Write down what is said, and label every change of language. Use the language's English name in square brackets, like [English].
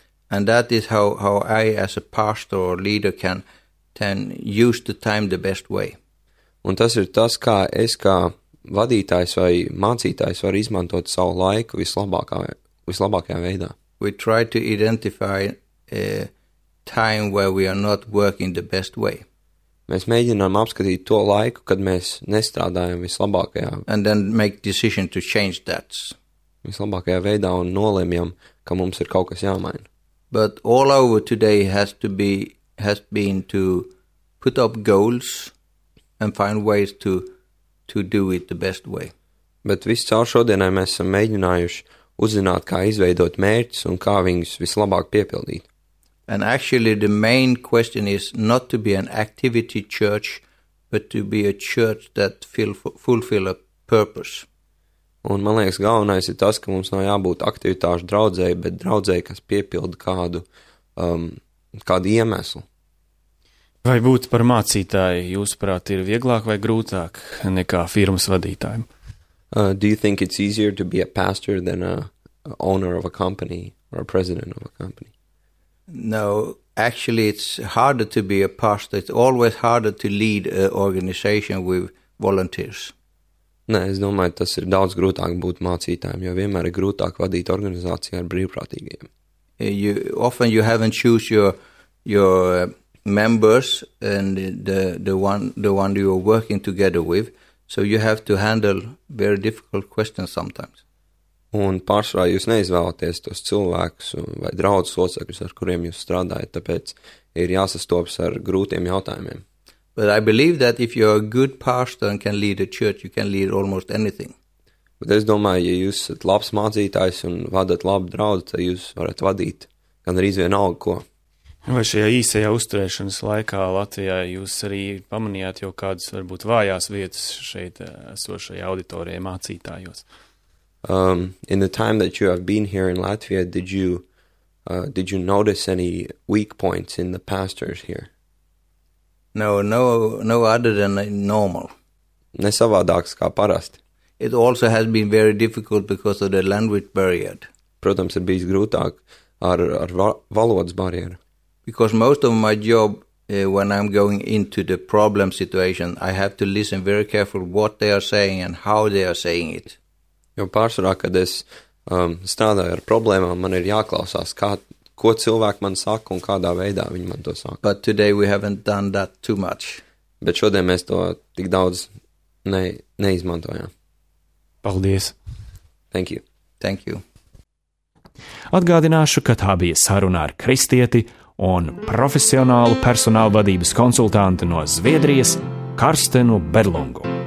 [English] And that is how I as a pastor or leader can use the time the best way. [Latvian] Un tas ir tas, kā es kā vadītājs vai mācītājs var izmantot savu laiku vislabākajā veidā. [English] We try to identify a time where we are not working the best way. [Latvian] Mēs mēģinām apskatīt to laiku, kad mēs nestrādājam vislabākajā. [English] And then make decision to change that. [Latvian] Vislabākajā veidā un nolemjam, ka mums ir kaut kas jāmaina. [English] But all over today has been to put up goals and find ways to do it the best way. [Latvian] Bet viss caur šodienai mēs esam mēģinājuši uzzināt, kā izveidot mērķus un kā viņus vislabāk piepildīt. [English] And actually the main question is not to be an activity church, but to be a church that fulfill a purpose. [Latvian] Un man liekas, galvenais ir tas, ka mums nav jābūt aktivitāšu draudzei, bet draudzei, kas piepilda kādu iemeslu. Vai būt par mācītāju, jūsuprāt, ir vieglāk vai grūtāk nekā firmas vadītājiem? [English] Do you think it's easier to be a pastor than a owner of a company or a president of a company? No, actually it's harder to be a pastor. It's always harder to lead an organization with volunteers. [Latvian] Nē, es domāju, tas ir daudz grūtāk būt mācītājiem, jo vienmēr ir grūtāk vadīt organizāciju ar brīvprātīgajiem. [English] Often you haven't choose your members and the one you are working together with, so you have to handle very difficult questions sometimes. [Latvian] Un pārsvarā jūs neizvēlaties tos cilvēkus vai draudzes locekļus, ar kuriem jūs strādājat, tāpēc ir jāsastopas ar grūtiem jautājumiem. [English] But I believe that if you're a good pastor and can lead a church, you can lead almost anything. [Latvian] Bet es domāju, ja jūs esat labs mācītājs un vadat labu draudzi, tad jūs varat vadīt gandrīz vienalga ko. Vai šajā īsajā uzturēšanas laikā Latvijā jūs arī pamanījāt jau kādas varbūt vājās vietas šeit esošajā auditorijā mācītājos? [English] In the time that you have been here in Latvia, did you notice any weak points in the pastors here? No other than normal. [Latvian] Nesavādāks kā parasti. [English] It also has been very difficult because of the language barrier. [Latvian] Protams, ir bijis grūtāk ar valodas barjeru. [English] Because most of my job, when I'm going into the problem situation, I have to listen very carefully what they are saying and how they are saying it. [Latvian] Jo pārsvarā, kad es strādāju ar problēmām, man ir jāklausās, ko cilvēki man saka un kādā veidā viņi man to saka. [English] But today we haven't done that too much. [Latvian] Bet šodien mēs to tik daudz neizmantojām. Paldies. [English] Thank you. Thank you. [Latvian] Atgādināšu, ka tā bija saruna ar kristieti un profesionālu personāla vadības konsultantu no Zviedrijas Karstenu Berlungu.